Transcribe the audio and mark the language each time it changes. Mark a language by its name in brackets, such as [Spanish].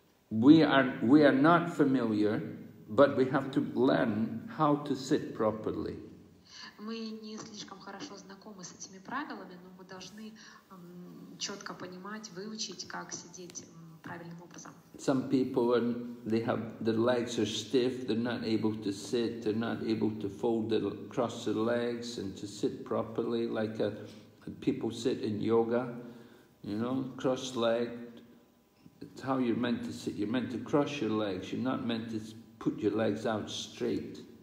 [English] We are not familiar, but we have to learn how to sit properly. [Russian] Мы не слишком хорошо знакомы с этими правилами, но мы должны четко понимать, выучить, как сидеть правильным образом. [English] Some people, they have their legs are stiff, they're not able to sit, they're not able to fold the cross the legs and to sit properly, like people sit in yoga, you know, cross-legged. It's how you're meant to sit. You're meant to cross your legs. You're not meant to put your legs out straight.